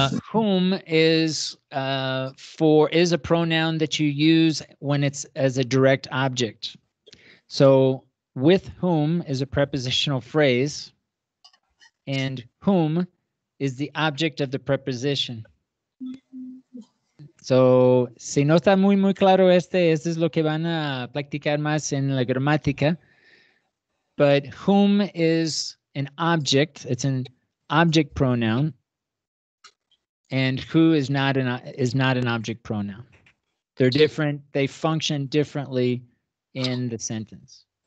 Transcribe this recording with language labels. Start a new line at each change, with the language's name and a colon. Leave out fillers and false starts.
English: Whom is for, is a pronoun that you use when it's as a direct object. So with whom is a prepositional phrase, and whom is the object of the preposition.
Spanish: So, si no está muy, muy claro este es lo que van a practicar más en la gramática.
English: But whom is an object, it's an object pronoun, and who is not an object pronoun. They're different, they function differently in the sentence.